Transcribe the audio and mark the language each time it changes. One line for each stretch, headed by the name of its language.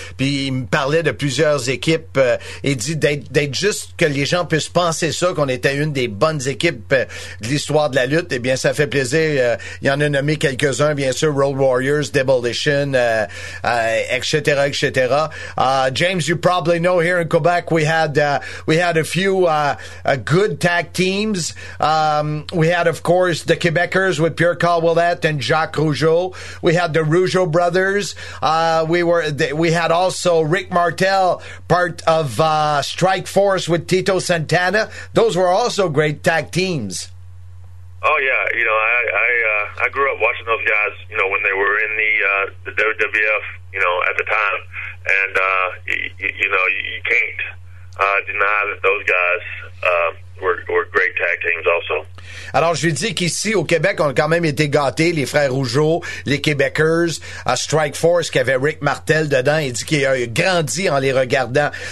French: Puis, il me parlait de plusieurs équipes. Il dit d'être juste que les gens puissent penser ça, qu'on était une des bonnes équipes de l'histoire de la lutte. Eh bien, ça fait plaisir. Il y en a nommé quelques-uns, bien sûr, Road Warriors, Demolition, etc., etc.
English: James, you probably know here in Quebec, we had a few good tag teams. We had, of course, the Quebecers with Pierre Caldwellette and Jacques Rougeau. We had the Rougeau brothers. We had also Rick Martel, part of Strike Force with Tito Santana. Those were also great tag teams. Oh yeah, you know, I grew up watching those guys. You know, when they were in the WWF, you know, at the time, and you know, you can't deny that those guys we're great tag teams also.
French: Alors, je lui dis qu'ici, au Québec, on a quand même été gâtés, les frères Rougeau, les Québecers, à Strike Force, qui avait Rick Martel dedans. Il dit qu'il a grandi en les regardant.